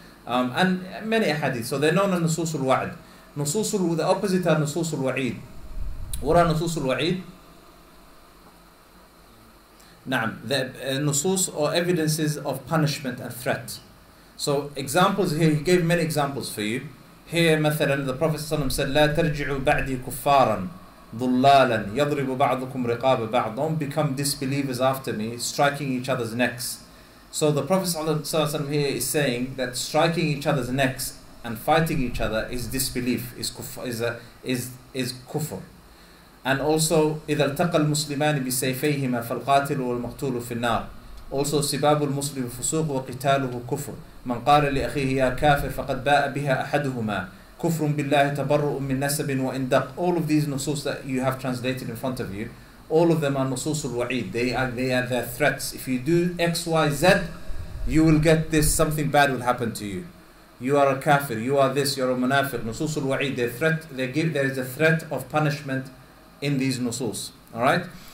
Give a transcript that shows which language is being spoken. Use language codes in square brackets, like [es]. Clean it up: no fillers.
[en] And many hadith, so they're known as Nusus al-Wa'id. Nusus al-Wa'id, the opposite are Nusus al-Wa'id. What are Nusus al-Wa'id? Na'am, the Nusus or evidences of punishment and threat. So examples here, he gave many examples for you. Here, [ar] مثلاً, [en] the Prophet ﷺ said, [ar] لَا تَرْجِعُوا بَعْدِي كُفَّارًا ضُلَّالًا يَضْرِبُ بَعْضُكُمْ رِقَابَ بَعْضًا. [en] Don't become disbelievers after me, striking each other's necks. So the Prophet ﷺ here is saying that striking each other's necks and fighting each other is disbelief, is kufr. And also, [ar] إِذَا الْتَقَى الْمُسْلِمَانِ بِسَيْفَيْهِمَا فَالْقَاتِلُ وَالْمَقْتُولُ فِي النَّارِ. [en] Also, [ar] سِبَابُ الْمُسْلِمِ فُسُوقُ وَقِتَالُهُ كُفْرٌ. من قال لأخيه يا كافر فقد باء بها أحدهما كفر بالله تبرؤ من نسب وإن دق. [en] All of these nusus that you have translated in front of you, all of them are nusus al-wa'id. They are their threats. If you do X, Y, Z, you will get this, something bad will happen to you. You are a kafir, you are this, you are a munafiq. Nusus al-wa'id, there is a threat of punishment in these nusus. Alright?